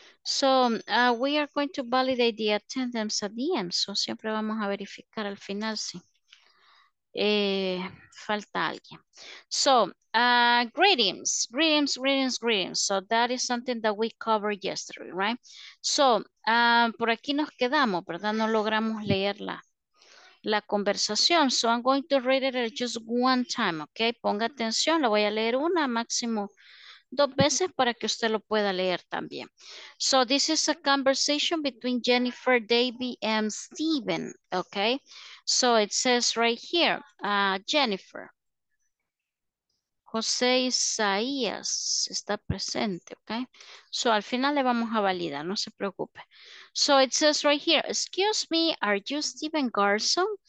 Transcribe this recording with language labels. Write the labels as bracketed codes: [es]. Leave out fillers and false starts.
[en] So, we are going to validate the attendance at the end. [es] So, siempre vamos a verificar al final si falta alguien. [en] So, greetings, greetings, greetings, greetings. So, that is something that we covered yesterday, right? So, [es] por aquí nos quedamos, ¿verdad? No logramos leer la conversación. [en] So, I'm going to read it just one time, okay? [es] Ponga atención, lo voy a leer una, máximo dos veces para que usted lo pueda leer también. [en] So this is a conversation between Jennifer, Davey, and Steven, okay? So it says right here, Jennifer. José Isaías [es] está presente, [en] okay? So [es] al final le vamos a validar, no se preocupe. [en] So it says right here, excuse me, are you Steven Garson?